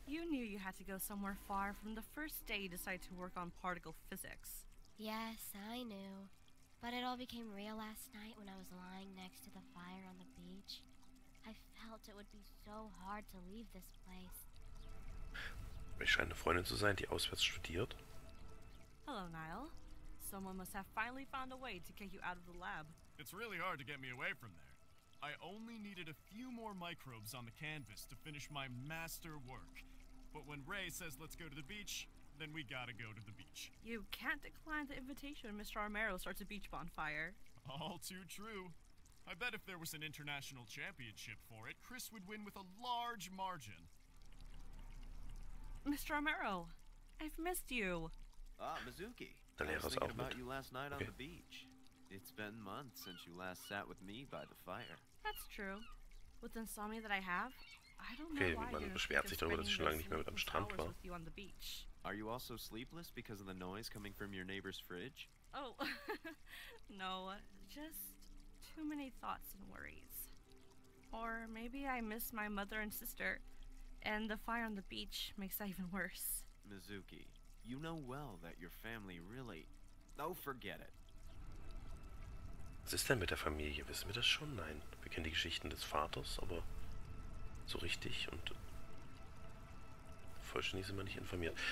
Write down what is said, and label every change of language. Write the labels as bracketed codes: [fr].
[en] You knew you had to go somewhere far from the first day you decided to work on particle physics. Yes, I knew. But it all became real last night when I was lying next to the fire on the beach. I felt it would be so hard to leave this place. [de] Mir scheint eine Freundin zu sein, die auswärts studiert. [en] Hello, Niall. Someone must have finally found a way to get you out of the lab. It's really hard to get me away from there. I only needed a few more microbes on the canvas to finish my master work. But when Ray says let's go to the beach, then we gotta go to the beach. You can't decline the invitation when Mr. Armero starts a beach bonfire. All too true. I bet if there was an international championship for it, Chris would win with a large margin. Mr. Armero, I've missed you. Ah, Mizuki. I was thinking about you last night on the beach. It's been months since you last sat with me by the fire. That's true. With insomnia that I have, I don't know why [de] man beschwert sich darüber, dass ich schon lange nicht mehr mit am Strand war. [en] Are you also sleepless because of the noise coming from your neighbor's fridge? Oh, no, just too many thoughts and worries. Or maybe I miss my mother and sister, and the fire on the beach makes that even worse. Mizuki, you know well that your family really... Oh, forget it. [de] Was ist denn mit der Familie? Wissen wir das schon? Nein. Wir kennen die Geschichten des Vaters, aber so richtig und vollständig sind wir nicht informiert.